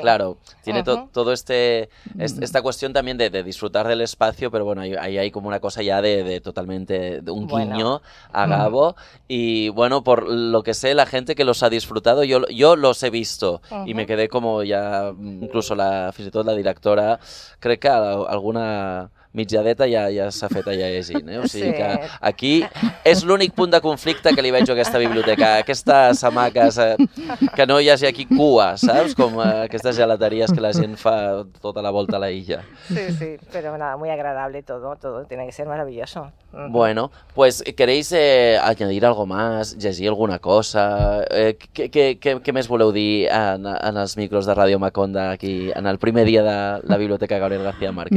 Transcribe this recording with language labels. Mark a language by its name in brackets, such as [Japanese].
[Spanish] Claro, tiene todo esta cuestión también de disfrutar del espacio, pero bueno, ahí hay como una cosa ya de totalmente de un guiño bueno. a Gabo. Y bueno, por lo que sé, la gente que los ha disfrutado, yo los he visto y me quedé como ya, incluso la, fíjate, toda la directora, creo que alguna. [Catalan] Mitjadeta ja s'ha fet allà llegint, eh? O sigui sí. que aquí és l'únic punt de conflicte que li veig a aquesta biblioteca, aquestes hamaques, que no hi hagi aquí cua, saps? Com aquestes gelateries que la gent fa tota la volta a la illa. [Spanish] Sí, sí, però nada, muy agradable todo, tiene que ser maravilloso. Bueno, pues queréis añadir algo más, [Catalan] llegir alguna cosa, què més voleu dir en els micros de Ràdio Maconda aquí en el primer dia de la biblioteca Gabriel García Márquez?